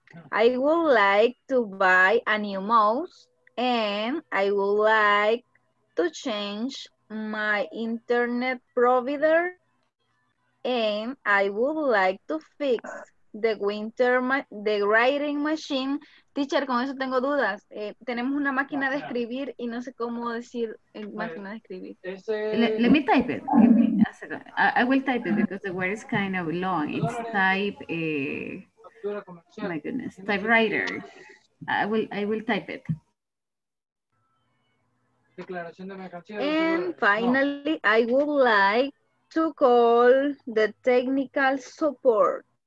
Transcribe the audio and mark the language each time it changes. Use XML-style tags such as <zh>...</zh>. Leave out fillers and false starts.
<en>I would like to buy a new mouse and I would like to change my internet provider and I would like to fix the winter the writing machine.</en> <es>Teacher, con eso tengo dudas. Tenemos una máquina de escribir y no sé cómo decir máquina de escribir.</es> <en>Let me type it. I will type it because the word is kind of long. It's type a... Oh my goodness, typewriter. I will type it. And finally, I would like to call the technical support.</en>